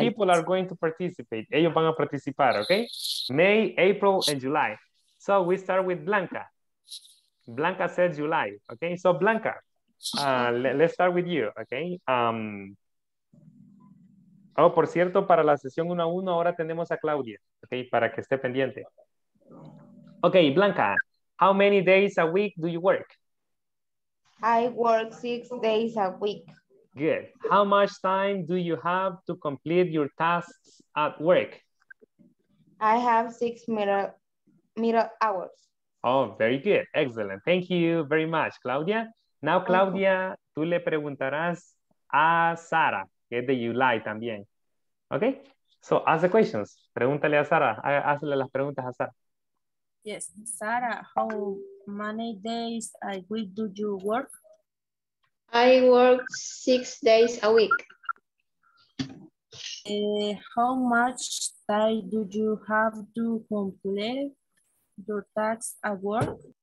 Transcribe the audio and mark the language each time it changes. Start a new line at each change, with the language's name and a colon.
English: These people are going to participate.
Spanish: Ellos van a participar,
English: okay? May, April, and July. So we start with Blanca. Blanca said July, okay? So Blanca, let's start with you, okay?
Spanish: Oh, por cierto, para la sesión 1-1, ahora tenemos a Claudia, okay? Para que esté pendiente.
English: Okay, Blanca, how many days a week do you work? I work 6 days a week. Good. How much time do you have to complete your tasks at work? I have 6 middle hours. Oh, very good. Excellent. Thank you very much, Claudia.
Spanish: Now, Claudia, tú le preguntarás a Sara, que es de July también. Okay?
English: So, ask the questions.
Spanish: Pregúntale a Sara. Hazle las preguntas a Sara.
English: Yes, Sara, how many days a week do you work? I work 6 days a week. How much time do you have to complete your tasks at work?